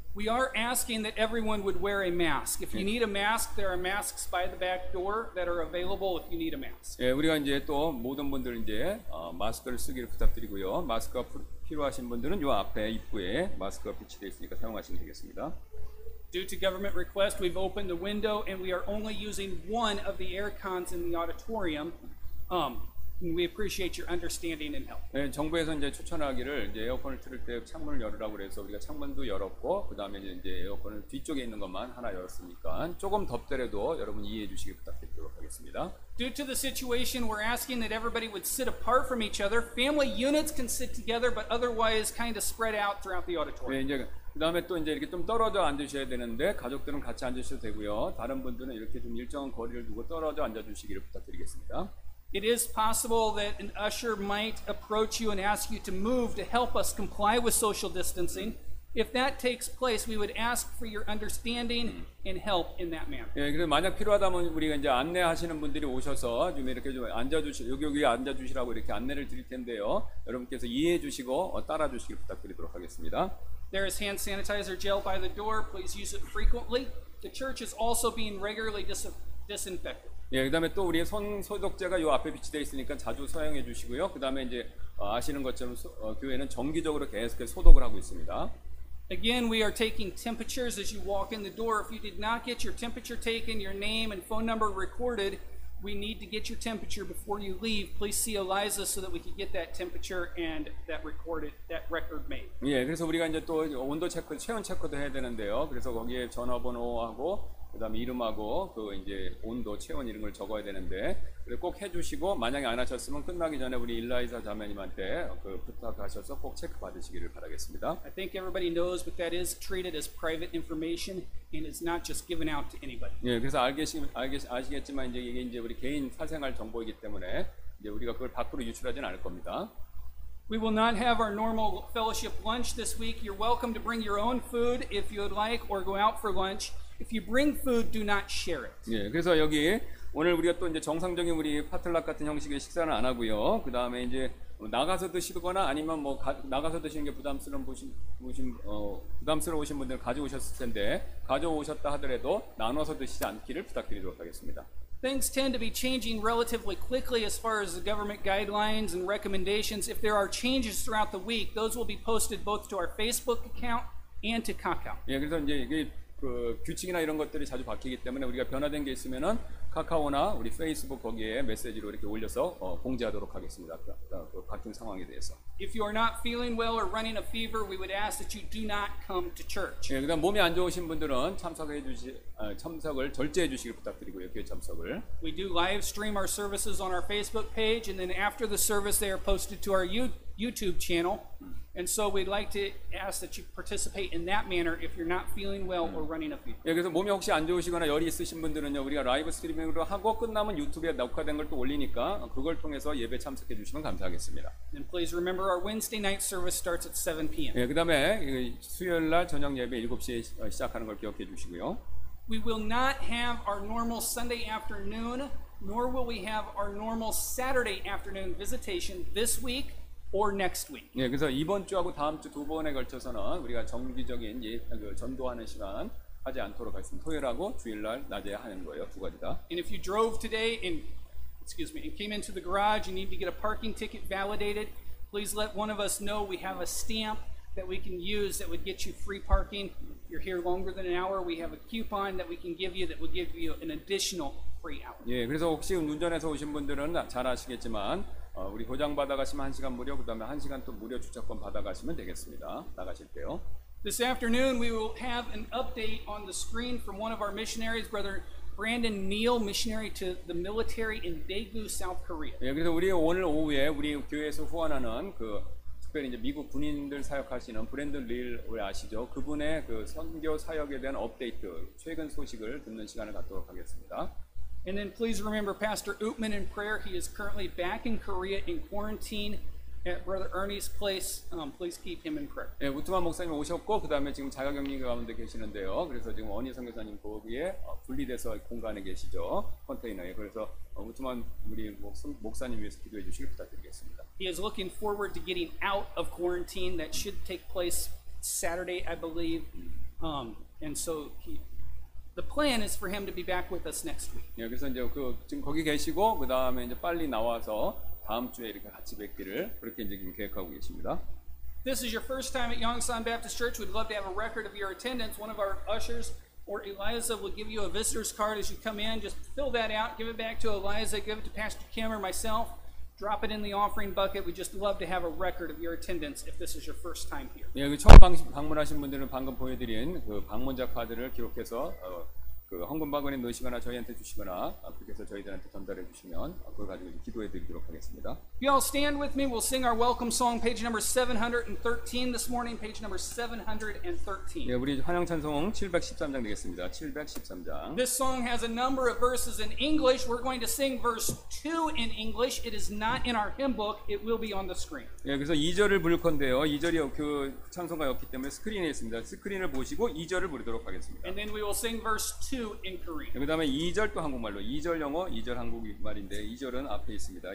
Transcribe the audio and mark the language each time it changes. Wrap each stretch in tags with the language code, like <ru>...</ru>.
<en>We are asking that everyone would wear a mask. If you need a mask, there are masks by the back door that are available if you need a mask.</en> <ko>예, 우리가 이제 또 모든 분들 이제 마스크를 쓰기를 부탁드리고요. 마스크가 필요하신 분들은 요 앞에 입구에 마스크가 비치되어 있으니까 사용하시면 되겠습니다.</ko> <en>Due to government request, we've opened the window and we are only using one of the air cons in the auditorium. We appreciate your understanding and help.</en> <ko>네, 정부에서 이제 추천하기를 이제 에어컨을 틀을 때 창문을 열으라고 그래서 우리가 창문도 열었고 그다음에 이제 에어컨을 뒤쪽에 있는 것만 하나 열었으니까 조금 덥더라도 여러분 이해해 주시길 부탁드리도록 하겠습니다.</ko> <en>Due to the situation, we're asking that everybody would sit apart from each other. Family units can sit together, but otherwise kind of spread out throughout the auditorium.</en> <ko>네, 이제 그다음에 또 이제 이렇게 좀 떨어져 앉으셔야 되는데 가족들은 같이 앉으셔도 되고요. 다른 분들은 이렇게 좀 일정한 거리를 두고 떨어져 앉아 주시기를 부탁드리겠습니다.</ko> <en>It is possible that an usher might approach you and ask you to move to help us comply with social distancing. If that takes place, we would ask for your understanding and help in that manner.</en> <ko>예, 그래서 만약 필요하다면 우리가 이제 안내하시는 분들이 오셔서 좀 이렇게 좀 앉아주시, 여기 앉아주시라고 이렇게 안내를 드릴 텐데요. 여러분께서 이해해 주시고 따라주시길 부탁드리도록 하겠습니다.</ko> <en>There is hand sanitizer gel by the door. Please use it frequently. The church is also being regularly disinfected.</en> <ko>예, 그다음에 또 우리의 손 소독제가 요 앞에 비치되어 있으니까 자주 사용해 주시고요. 그다음에 이제 아시는 것처럼 교회는 정기적으로 계속 소독을 하고 있습니다.</ko> <en>Again, we are taking temperatures as you walk in the door. If you did not get your temperature taken, your name and phone number recorded, we need to get your temperature before you leave. Please see Eliza so that we can get that temperature and that record made.</en> <ko>예, 그래서 우리가 이제 또 온도 체크, 체온 체크도 해야 되는데요. 그래서 거기에 전화번호하고 그다음 이름하고 그 이제 온도 체온 이런 걸 적어야 되는데 그래 꼭 해주시고 만약에 안 하셨으면 끝나기 전에 우리 일라이사 자매님한테 그 부탁하셔서 꼭 체크 받으시기를 바라겠습니다.</ko> <en>I think everybody knows, but that is treated as private information and is not just given out to anybody.</en> <ko>예, 그래서 아시겠지만 이제 이게 이제 우리 개인 사생활 정보이기 때문에 이제 우리가 그걸 밖으로 유출하지는 않을 겁니다.</ko> <en>We will not have our normal fellowship lunch this week. You're welcome to bring your own food if you would like, or go out for lunch. If you bring food, do not share it.</en> <ko>예, 그래서 여기 오늘 우리가 또 이제 정상적인 우리 파틀락 같은 형식의 식사는 안 하고요. 그 다음에 이제 나가서 드시거나 아니면 뭐 나가서 드시는 게 부담스러우신 분들 가져오셨을 텐데 가져오셨다 하더라도 나눠서 드시지 않기를 부탁드리도록 하겠습니다.</ko> <en>Things tend to be changing relatively quickly as far as the government guidelines and recommendations. If there are changes throughout the week, those will be posted both to our Facebook account and to Kakao.</en> <ko>예, 그래서 이제 이게 그 규칙이나 이런 것들이 자주 바뀌기 때문에 우리가 변화된 게 있으면은 카카오나 우리 페이스북 거기에 메시지로 이렇게 올려서 공지하도록 하겠습니다. 그 바뀐 상황에 대해서.</ko> <en>If you are not feeling well or running a fever, we would ask that you do not come to church.</en> <ko>예, 그다음 몸이 안 좋으신 분들은 참석을 절제해 주시길 부탁드리고요. 교회 참석을.</ko> <en>We do live stream our services on our Facebook page and then after the service they are posted to our YouTube channel. And so we'd like to ask that you participate in that manner if you're not feeling well or running a fever.</en> <ko>예, 그래서 몸이 혹시 안 좋으시거나 열이 있으신 분들은요, 우리가 라이브 스트리밍으로 하고 끝나면 유튜브에 녹화된 걸 또 올리니까 그걸 통해서 예배 참석해 주시면 감사하겠습니다.</ko> <en>And please remember our Wednesday night service starts at 7 p.m.</en> <ko>예, 그다음에 수요일 날 저녁 예배 7시에 시작하는 걸 기억해 주시고요.</ko> <en>We will not have our normal Sunday afternoon, nor will we have our normal Saturday afternoon visitation this week. Or next week.</en> <ko>네, 그래서 이번 주하고 다음 주 두 번에 걸쳐서는 우리가 정기적인 전도하는 시간 하지 않도록 하겠습니다. 토요일하고 주일날 낮에 하는 거예요, 두 가지 다.</ko> <en>And if you drove today and excuse me, and came into the garage, you need to get a parking ticket validated, please let one of us know. We have a stamp that we can use that would get you free parking. You're here longer than an hour. We have a coupon that we can give you that will give you an additional free hour.</en> <ko>예, 그래서 혹시 운전해서 오신 분들은 잘 아시겠지만 우리 보장 받아가시면 한 시간 무료, 그다음에 한 시간 또 무료 주차권 받아가시면 되겠습니다. 나가실 때요.</ko> <en>This afternoon we will have an update on the screen from one of our missionaries, Brother Brandon Neal, missionary to the military in Daegu, South Korea.</en> <ko>예, 그래서 우리 오늘 오후에 우리 교회에서 후원하는 그 특별히 이제 미국 군인들 사역하시는 브랜든 닐 우리 아시죠? 그분의 그 선교 사역에 대한 업데이트, 최근 소식을 듣는 시간을 갖도록 하겠습니다.</ko> <en>And then please remember Pastor Oopman in prayer. He is currently back in Korea in quarantine at Brother Ernie's place. Please keep him in prayer.</en> <ko>예, 우트만 목사님 오셨고 그다음에 지금 자가 격리 가운데 계시는데요. 그래서 지금 어니 선교사님 거기에 분리돼서 공간에 계시죠. 컨테이너에. 그래서 우트만 우리 목사님 위해서 기도해 주시길 부탁드리겠습니다.</ko> <en>He is looking forward to getting out of quarantine that should take place Saturday, I believe. And so he The plan is for him to be back with us next week.</en> <ko>예, 그래서 이제 그 지금 거기 계시고 그다음에 이제 빨리 나와서 다음 주에 이렇게 같이 뵙기를 그렇게 이제 지금 계획하고 계십니다.</ko> <en>This is your first time at Yongsan Baptist Church. We'd love to have a record of your attendance. One of our ushers or Eliza will give you a visitor's card as you come in. Just fill that out, give it back to Eliza, give it to Pastor Kim or myself. Drop it in the offering bucket. We'd just love to have a record of your attendance if this is your first time here.</en> <ko>예, 그 처음 방문하신 분들은 방금 보여드린 그 방문자 카드를 기록해서 그 헌금 바구니에 넣으시거나 저희한테 주시거나 그렇게 해서 저희들한테 전달해 주시면 그걸 가지고 기도해 드리도록 하겠습니다.</ko> <en>You all stand with me. We'll sing our welcome song, page number 713 this morning, page number 713.</en> <ko>예, 우리 환영 찬송 713장 되겠습니다. 713장.</ko> <en>This song has a number of verses in English. We're going to sing verse 2 in English. It is not in our hymn book. It will be on the screen.</en> <ko>예, 그래서 2절을 부를 건데요. 2절이 그 찬송가였기 때문에 스크린에 있습니다. 스크린을 보시고 2절을 부르도록 하겠습니다.</ko> <en>And then we will sing verse 2 in Korean.</en> <ko>예, 그다음에 2절도 한국말로. 2절 영어, 2절 한국말인데 2절은 앞에 있습니다.</ko>